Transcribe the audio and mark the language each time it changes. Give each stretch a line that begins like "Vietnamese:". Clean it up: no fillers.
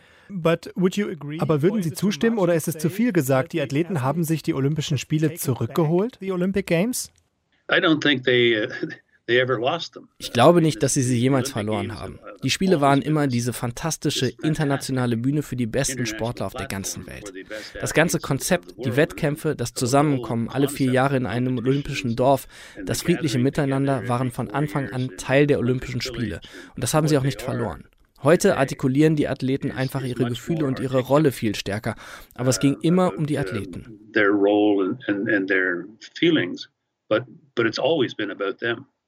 German: Aber würden Sie zustimmen oder ist es zu viel gesagt, die Athleten haben sich die Olympischen Spiele zurückgeholt,
English: die Olympic Games? I don't think they ever lost them.
German: Ich glaube nicht, dass sie sie jemals verloren haben. Die Spiele waren immer diese fantastische internationale Bühne für die besten Sportler auf der ganzen Welt. Das ganze Konzept, die Wettkämpfe, das Zusammenkommen alle vier Jahre in einem olympischen Dorf, das friedliche Miteinander waren von Anfang an Teil der Olympischen Spiele. Und das haben sie auch nicht verloren. Heute artikulieren die Athleten einfach ihre Gefühle und ihre Rolle viel stärker. Aber es ging immer um die Athleten.
English: Their role and their feelings, but it's always been about them.